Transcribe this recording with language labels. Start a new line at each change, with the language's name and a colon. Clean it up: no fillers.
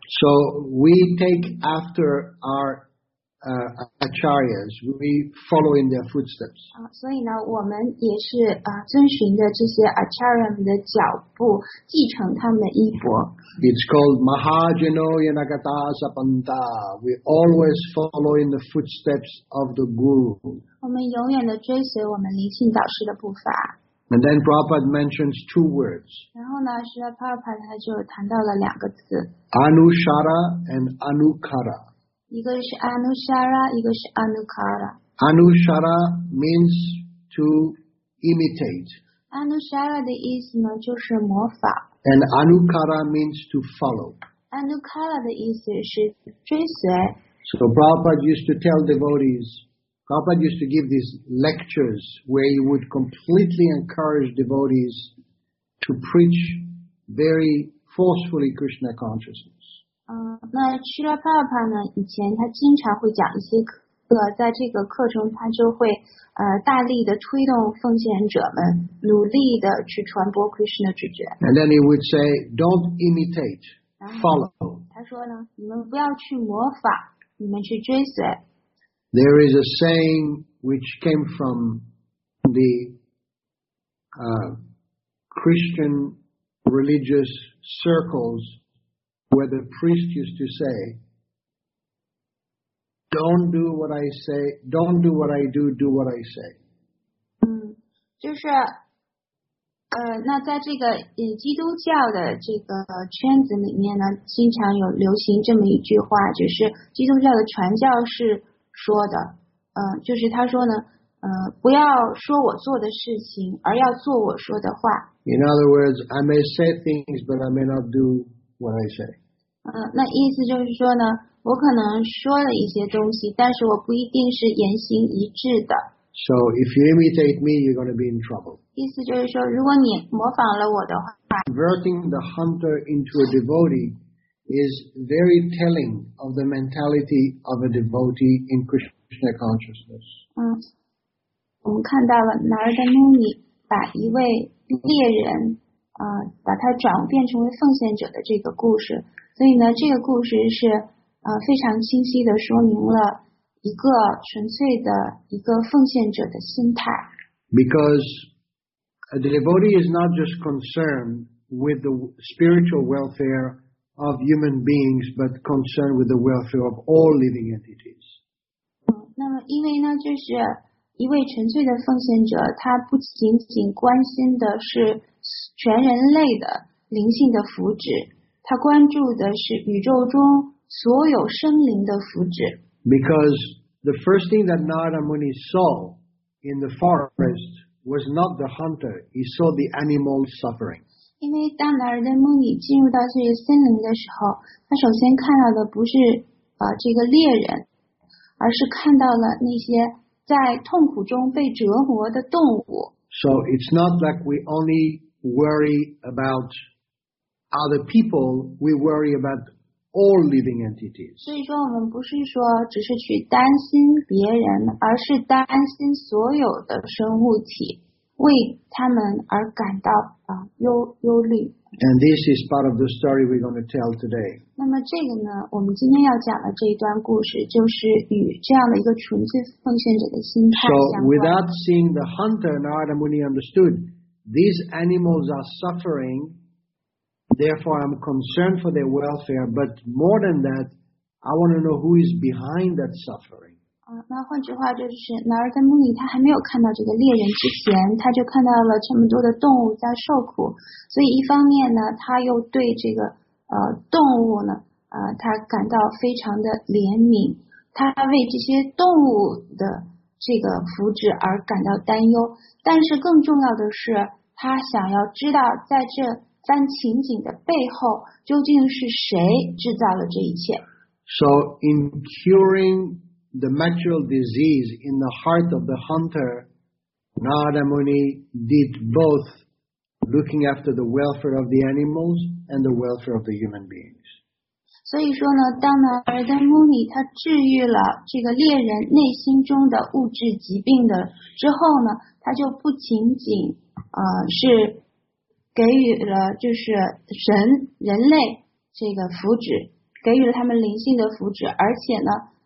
English: So we take after our acharyas, we follow in their footsteps.
Chinese: 所以呢，我们也是遵循的这些 acharya 们的脚步，继承他们的衣钵。
English: It's called Mahajano Yanagata Sapanta. We always follow in the footsteps of the guru.
Chinese: 我们永远的追随我们离庆导师的步伐。
English: And then Prabhupada mentions two words.
Chinese: 然后呢，是 Prabhupada 他就谈到了两个词
English: ，Anushara and Anukara.
Chinese: 一个是 Anushara, 一个是 Anukara.
English: Anushara means to imitate.
Chinese: Anushara 的意思呢就是模仿。
English: And Anukara means to follow.
Chinese: Anukara 的意思是追随。
English: So Prabhupada used to tell devotees, Prabhupada used to give these lectures where he would completely encourage devotees to preach very forcefully Krishna consciousness.
Chinese: 那去了爸爸呢以前他经常会讲一些课在这个课程他就会大力的推动奉献者们努力的去传播 Krishna 知觉。
English: And then he would say, don't imitate, follow.
Chinese: 他说呢你们不要去模仿你们去追随。
English: There is a saying which came from the Christian religious circles,where the priest used to say, don't do what I say, don't do what I do, do what I say.
Chinese: 就是那在这个基督教的这个圈子里面呢经常有流行这么一句话，就是基督教的传教士说的就是他说呢不要说我做的事情而要做我说的话。
English: In other words, I may say things, but I may not do what I say.
Chinese: 那意思就是说呢我可能说了一些东西但是我不一定是言行一致的。
English: So if you imitate me, you're going to be in trouble.
Chinese: 意思就是说如果你模仿了我的话。
English: Converting the hunter into a devotee is very telling of the mentality of a devotee in Krishna consciousness.
Chinese: 我们看到了 Narada Muni 把一位猎人把他转变成为奉献者的这个故事。所以呢这个故事是非常清晰的说明了一个纯粹的一个奉献者的心态。
English: Because a devotee is not just concerned with the spiritual welfare of human beings, but concerned with the welfare of all living entities.
Chinese: 那么因为呢就是一位纯粹的奉献者他不仅仅关心的是全人类的灵性的福祉。他关注的是宇宙中所有生灵的福祉。
English: Because the first thing that Narada Muni saw in the forest was not the hunter, he saw the animal suffering.
Chinese: 因为当 Narada Muni 进入到这些森林的时候，他首先看到的不是这个猎人，而是看到了那些在痛苦中被折磨的动物。
English: So it's not like we only worry about other people, we worry about all living entities.
Chinese: 所以说我们不是说只是去担心别人，而是担心所有的生物体，为他们而感到忧虑。
English: And this is part of the story we're going to tell today.
Chinese: 那么这个呢，我们今天要讲的这一段故事，就是与这样的一个纯粹奉献者的心态相关。
English: So without seeing the hunter, Narada Muni understood these animals are suffering. Therefore, I'm concerned for their welfare. But more than that, I want to know who is behind that suffering.
Chinese: 那换句话就是，然而在梦里他还没有看到这个猎人之前，他就看到了这么多的动物在受苦。所以一方面呢，他又对这个动物呢，他感到非常的怜悯，他为这些动物的这个福祉而感到担忧。但是更重要的是，他想要知道在这番情景的背后，究竟是谁制造了这一切。
English: So in curing. The material disease in the heart of the hunter, Narada Muni did both looking after the welfare of the animals and the welfare of the human beings.
Chinese: 所以说呢，当Narada Muni他治愈了这个猎人内心中的物质疾病的之后呢，他就不仅仅是给予了就是神人类这个福祉，给予了他们灵性的福祉，而且呢。